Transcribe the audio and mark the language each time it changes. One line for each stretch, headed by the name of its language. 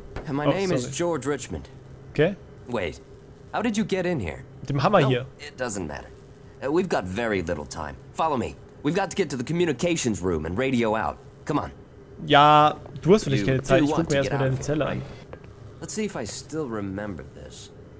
English: My name is George Richmond. Okay. Wait, how did you get in here?
German: Mit dem Hammer hier.
English: It doesn't matter. We've got very little time. Follow me. We've got to get to the communications room and radio out. Come on.
German: Ja, du hast vielleicht keine Zeit. Ich guck mir erstmal deine Zelle an.
English: Let's see if I still remember this.